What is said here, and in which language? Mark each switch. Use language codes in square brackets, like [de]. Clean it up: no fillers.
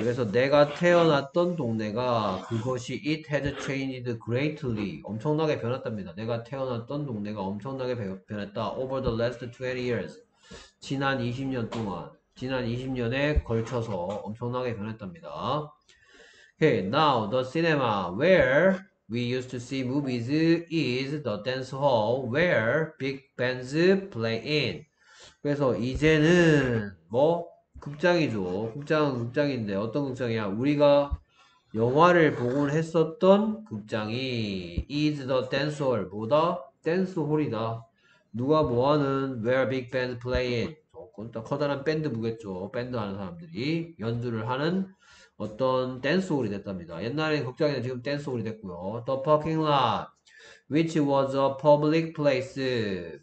[ko] 그래서 내가 태어났던 동네가 그것이 [en] it had changed greatly. [ko] 엄청나게 변했답니다. 내가 태어났던 동네가 엄청나게 변했다. [en] Over the last 20 years. [ko] 지난 20년 동안. 지난 20년에 걸쳐서 엄청나게 변했답니다. [en] Okay, now the cinema where we used to see movies is the dance hall where big bands play in. [ko] 그래서 이제는 뭐 극장이죠. 극장은 극장인데 어떤 극장이야? 우리가 영화를 보곤 했었던 극장이 [en] is the dance hall. [ko] 뭐다? 댄스 홀이다. 누가 뭐하는 [en] where big bands play in. [ko] 커다란 밴드 무겠죠. 밴드 하는 사람들이 연주를 하는 어떤 댄스홀이 됐답니다. 옛날에는 극장이 지금 댄스홀이 됐고요. [en] The parking lot, which was a public place.